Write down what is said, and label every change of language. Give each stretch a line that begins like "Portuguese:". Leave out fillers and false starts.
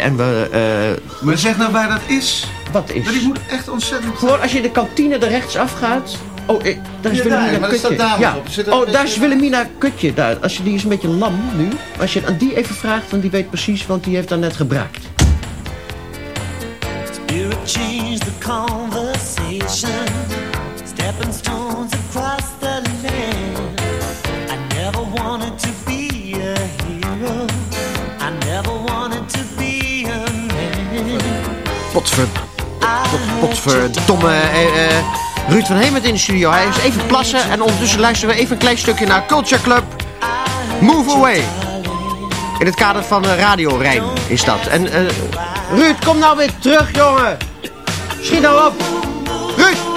Dutch: En we, maar zeg nou waar dat is. Wat is? Want ik moet echt ontzettend... Gewoon als je de kantine er rechts afgaat. Oh, daar is ja, Wilhelmina daar, Kutje. Daar ja. Op? Oh, daar is Wilhelmina Kutje. Daar. Als je, die is een beetje lam nu. Als je aan die even vraagt, dan die weet precies, want die heeft daar net gebruikt.
English: Spirit changed the conversation. Stepping stones across the land. I never wanted to be a hero. I never wanted to be a man.
Dutch: Potverdomme. Ruud van Hemert in de studio. Hij is even plassen. En ondertussen luisteren we even een klein stukje naar Culture Club. Move Away. In het kader van Radio Rijn is dat. En Ruud, kom nou weer terug, jongen. Schiet nou op. Ruud.